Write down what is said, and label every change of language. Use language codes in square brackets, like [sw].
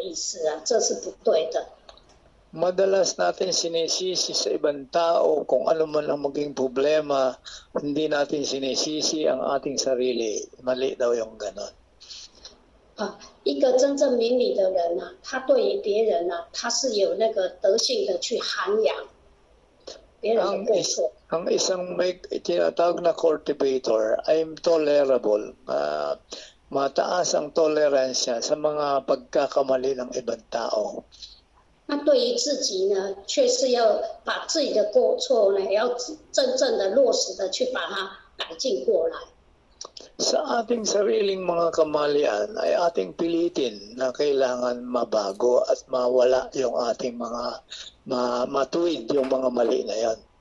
[zh] 往往都会把过错都是怪在别人，而自己都没有错的意思啊，这是不对的。 [tl] Madalas natin sinisisi sa ibang tao kung ano man ang maging problema, hindi natin sinisisi ang ating sarili. Mali daw yung ganon. [zh] 一个真正明理的人呢，他对于别人呢，他是有那个德性的去涵养。 [tl] Ang isang may tinatawag na cultivator ay tolerable. Mataas ang tolerance niya sa mga pagkakamali ng ibang tao. At [zh] 对于自己呢，却是要把自己的过错呢，要真正的落实的去把它改进过来。 [tl] Sa ating sariling mga kamalian ay ating pilitin na kailangan mabago at mawala yung ating mga matuwid yung mga mali na yan.